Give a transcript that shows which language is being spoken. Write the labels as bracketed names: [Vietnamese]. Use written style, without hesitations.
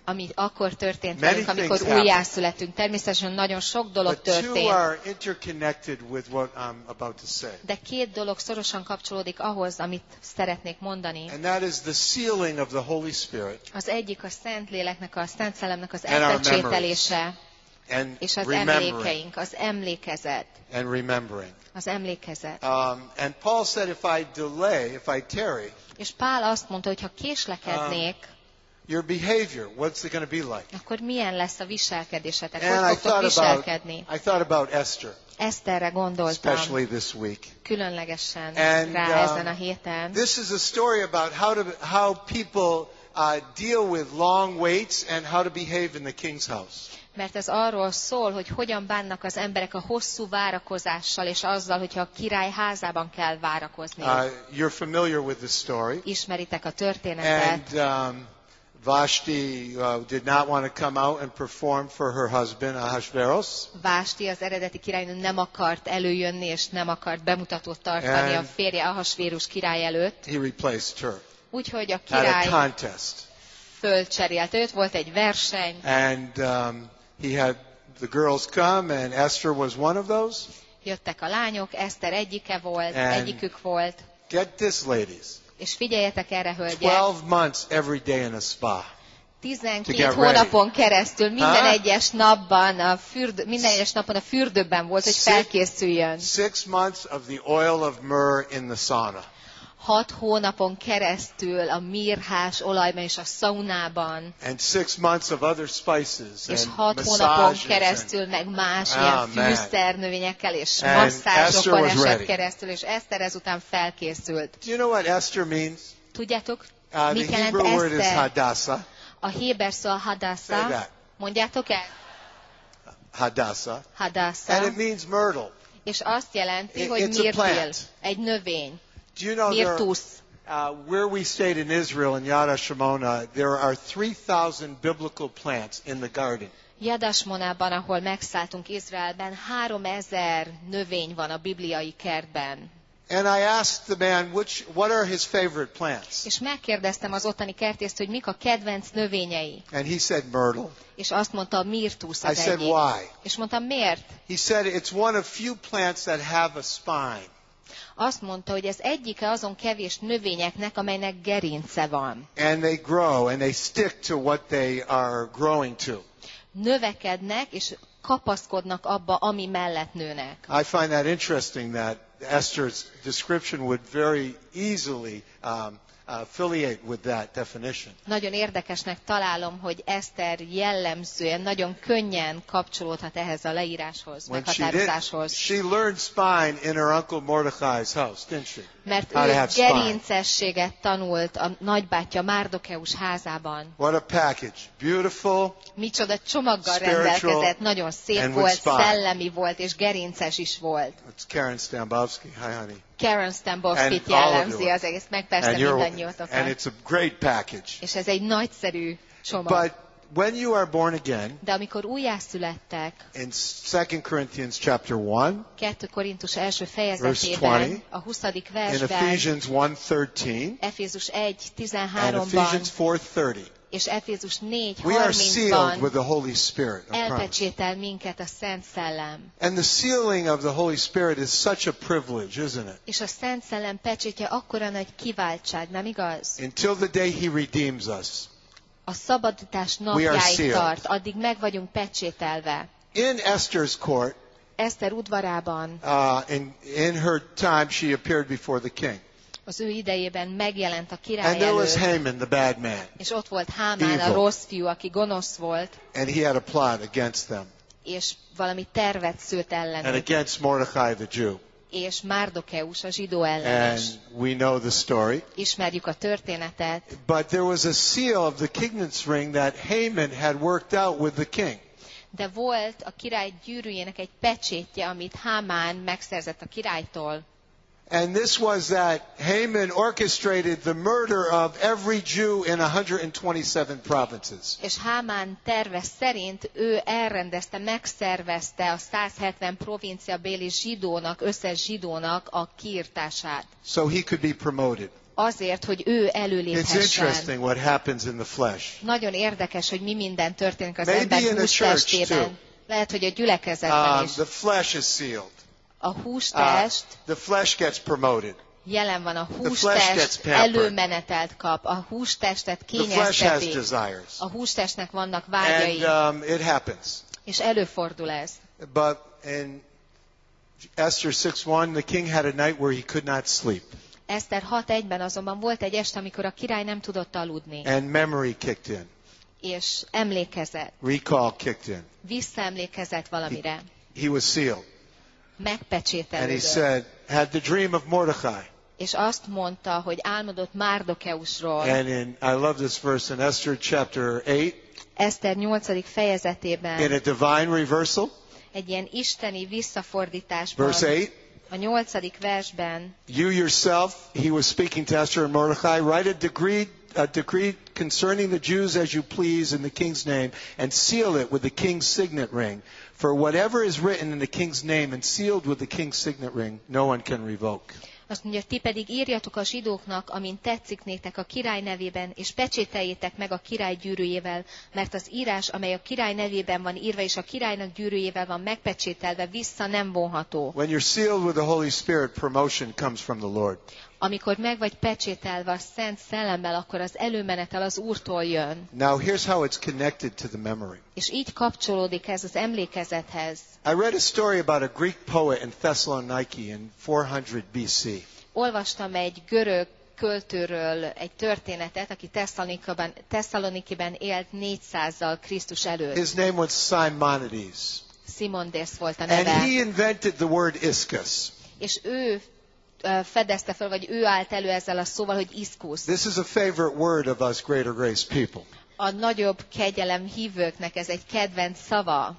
[Hungarian] Ami akkor történt, amikor újjászülettünk. Természetesen nagyon sok dolog történt. [English] But two are interconnected with what I'm about to say. [Hungarian] De két dolog szorosan kapcsolódik ahhoz, amit szeretnék mondani. [English] And that is the sealing of the Holy Spirit. [Hungarian] Az egyik a Szentléleknek, a Szent Szellemnek az elpecsételése. [English] And [Hungarian] és az emlékeink, az emlékezet. [English] And remembering. [Hungarian] Az emlékezet. [English] And Paul said, if I delay, if I tarry. [Hungarian] És Pál azt mondta, hogy ha késlekednék. [English] Your behavior, what's it going to be like? [Hungarian] Akkor milyen lesz a viselkedésetek? Hogy fogtok viselkedni? [English] I thought about Esther. [Hungarian] Eszterre gondoltam. [English] Especially this week. [Hungarian] Különlegesen rá ezen a héten. [English] This is a story about how people deal with long waits and how to behave in the king's house. [Hungarian] Mert ez arról szól, hogy hogyan bánnak az emberek a hosszú várakozással és azzal, hogyha a király házában kell várakozni. [English] You're familiar with the story. [Hungarian] Ismeritek a történetet. [English] And Vashti did not want to come out and perform for her husband Ahasveros. [Hungarian] Vashti az eredeti királynő nem akart előjönni és nem akart bemutatót tartani [English] and [Hungarian] a férje Ahasverus király előtt. [English] He replaced her. [Hungarian] Úgyhogy a király [English] at a contest. [Hungarian] Fölcserélt őt, volt egy verseny. [English] And he had the girls come, and Esther was one of those. [Hungarian] Jöttek a lányok, Esther egyike volt, egyikük volt. [English] Get this, ladies. [Hungarian] És figyeljetek erre, hölgyek. [English] 12 months every day in a spa. [Hungarian] 12 hónapon keresztül minden egyes napban a fürdő, minden egyes napon a fürdőben volt, hogy felkészüljön. [English] 6 months of the oil of myrrh in the sauna. [Hungarian] 6 hónapon keresztül a mirhás olajban és a szaunában. [English] And 6 months of other spices and massages. [Hungarian] És 6 hónapon keresztül meg más ilyen fűszernövényekkel és masszázsokon esett keresztül, és Eszter ezután felkészült. [English] Do you know what Esther means? [Hungarian] Tudjátok, mit jelent Eszter? [English] The Hebrew word is Hadassah. [Hungarian] A héber szó a Hadassah. Mondjátok el? [English] Hadassah. [Hungarian] Hadassah. [English] And it means myrtle. [Hungarian] És azt jelenti, hogy mirtil, egy növény. [English] Do you know where we stayed in Israel in Yad HaShemona, there are 3,000 biblical plants in the garden. [Hungarian] Yad HaShemonában, ahol megszálltunk Izraelben, 3,000 növény van a bibliai kertben. [English] And I asked the man, what are his favorite plants? [Hungarian] És megkérdeztem az ottani kertészt, hogy mik a kedvenc növényei. [English] And he said myrtle. [Hungarian] És azt mondta, a mirtusz az egyik. [English] I said why? [Hungarian] És mondtam miért? [English] He said it's one of few plants that have a spine. [Hungarian] Azt mondta, hogy ez egyike azon kevés növényeknek, amelynek gerince van. [English] And they grow and they stick to what they are growing to. [Hungarian] Növekednek és kapaszkodnak abba, ami mellett nőnek. [English] I find that interesting that Esther's description would very easily affiliate with that definition. [Hungarian] Nagyon érdekesnek találom, hogy Eszter jellemzően nagyon könnyen kapcsolódhat ehhez a leíráshoz, meghatározáshoz. [English] She learned spine in her uncle Mordechai's house, didn't she? [Hungarian] Mert ő gerincességet tanult a nagybátyja Márdokeus házában. [English] What a package. Beautiful. [Hungarian] Micsoda csomaggal rendelkezett, nagyon szép volt, szellemi volt és gerinces is volt. [English] It's Karen Stambowski. Hi honey. [Hungarian] Karen Stambowski-t jellemzi az egész, meg persze mindannyiótokat. [English] And it's a great package. [Hungarian] És ez egy nagyszerű csomag. [English] But when you are born again, [Hungarian] de amikor újjászülettek, [English] in 2 Corinthians chapter 1, [Hungarian] 2 Korintus első fejezetében, a 20. versben, [English] in Ephesians 1:13, [Hungarian] Efézus 1:13-ban, [English] and Ephesians 4:30, [Hungarian] és Efézus 4:30-ban elpecsétel minket a Szent Szellem. [English] And the sealing of the Holy Spirit is such a privilege, isn't it? [Hungarian] És a Szent Szellem pecsétje akkora nagy kiváltság, nem igaz? [English] Until the day he redeems us. [Hungarian] A szabadítás napjáig tart, addig meg vagyunk pecsételve. [English] In Esther's court, [Hungarian] Eszter udvarában, [English] in her time she appeared before the king. [Hungarian] Az ő idejében megjelent a király [English] and [Hungarian] előtt. [English] There was Haman, the bad man, [Hungarian] és ott volt Hámán, a rossz fiú, aki gonosz volt. [English] And he had a plot against them. [Hungarian] És valami tervet szült ellenük. [English] And against Mordechai the Jew. [Hungarian] És Márdokeus a zsidó ellen [English] and [Hungarian] is. [English] We know the story. [Hungarian] Ismerjük a történetet. [English] But there was a seal of the king's ring that Haman had worked out with the king. [Hungarian] De volt a király gyűrűjének egy pecsétje, amit Hámán megszerzett a királytól. [English] And this was that Haman orchestrated the murder of every Jew in 127 provinces. [Hungarian] És Hámán terve szerint ő elrendezte, megszervezte a 170 provincia béli zsidónak, összes zsidónak a kiirtását. [English] So he could be promoted. [Hungarian] Azért, hogy ő előléphessen. [English] It's interesting what happens in the flesh. [Hungarian] Nagyon érdekes, hogy mi minden történik az [English] Maybe [Hungarian] ember hús testében. Lehet, hogy a gyülekezetben is. [English] The flesh is sealed. [Hungarian] A hústest [English] the flesh gets promoted. [Hungarian] Jelen van, a hústest előmenetelt kap, a hústestet kényeztetik. A hústestnek vannak vágyai. [English] And, it happens. [Hungarian] És előfordul ez. [English] But in Esther 6:1, the king had a night where he could not sleep. [Hungarian] Eszter 6:1-ben azonban volt egy este, amikor a király nem tudott aludni. [English] And memory kicked in. [Hungarian] És emlékezett. [English] Recall kicked in. [Hungarian] Visszaemlékezett valamire. [English] He was sealed. [Hungarian] Megpecsételődött. [English] And he said, had the dream of Mordechai. [Hungarian] És azt mondta, hogy álmodott Márdokeusról. [English] And in, I love this verse in Esther chapter 8. [Hungarian] Eszter 8. fejezetében. [English] In a divine reversal. [Hungarian] Egy ilyen isteni visszafordításban. [English] Verse 8. [Hungarian] A 8. versben. [English] You yourself, he was speaking to Esther and Mordechai, write a decree concerning the Jews as you please in the king's name and seal it with the king's signet ring. For whatever is written in the king's name and sealed with the king's signet ring, no one can revoke. [Hungarian] Azt mondja, ti pedig írjatok a zsidóknak, amint tetszik nétek a király nevében, és pecsételjétek meg a király gyűrűjével, mert az írás, amely a király nevében van írva, és a királynak gyűrűjével van megpecsételve, vissza nem vonható. [English] When you're sealed with the Holy Spirit, promotion comes from the Lord. [Hungarian] Amikor meg vagy pecsételve a Szent Szellemmel, akkor az előmenetel az Úrtól jön. [English] Now here's how it's connected to the memory. [Hungarian] És így kapcsolódik ez az emlékezethez. [English] I read a story about a Greek poet in Thessaloniki in 400 BC. [Hungarian] Olvastam egy görög költőről egy történetet, aki Thessalonikiben élt 400-zal Krisztus előtt. [English] His name was Simonides. [Hungarian] Simondész volt a neve. [English] And he invented the word iscus. [Hungarian] És ő fedezte fel, vagy ő állt elő ezzel a szóval, hogy iskus. [English] This is a favorite word of us Greater Grace people. [Hungarian] A nagyobb kegyelem hívőknek ez egy kedvenc szava.